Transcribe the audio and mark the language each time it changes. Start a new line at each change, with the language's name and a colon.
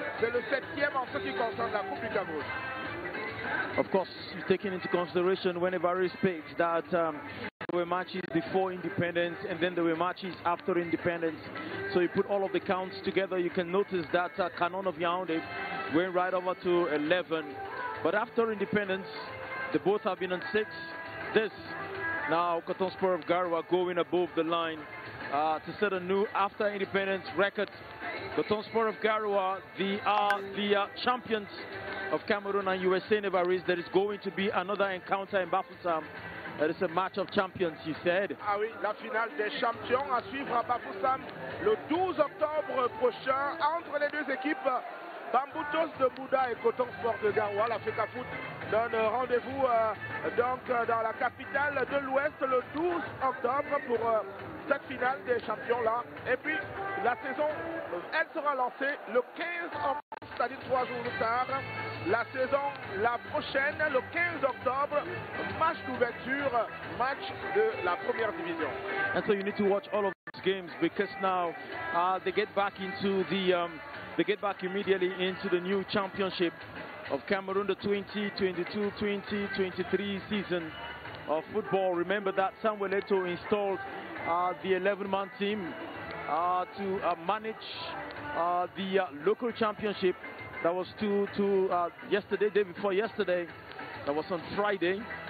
French: C'est le 7e en ce qui concerne la Coupe du Cameroun.
English: Of course, taking into consideration when Evaris speaks that there were matches before independence and then there were matches after independence. So you put all of the counts together, you can notice that Canon of Yaoundé went right over to 11. But after independence, they both have been on 6. This. Now, Coton Sport of Garoua going above the line to set a new after independence record. Coton Sport of Garoua, they are the champions of Cameroon and USA. Nevaris, there is going to be another encounter in Bafoutam It's a match of champions, you said.
French: Ah oui, la finale des champions à suivre à Bafoussam le 12 octobre prochain entre les deux équipes. Bamboutos de Bouda et Coton Sport de Garoua. La FECAFOOT donne rendez-vous donc dans la capitale de l'Ouest le 12 octobre pour cette finale des champions là. Et puis la saison, elle sera lancée le 15 octobre, c'est-à-dire trois jours plus tard. La saison, la prochaine, le 15 octobre, match d'ouverture, match de la première division.
English: And so you need to watch all of these games because now they get back into the they get back immediately into the new championship of Cameroon, the 2022-2023 season of football. Remember that Samuel Eto'o installed the 11-man team to manage the local championship that was day before yesterday, that was on Friday.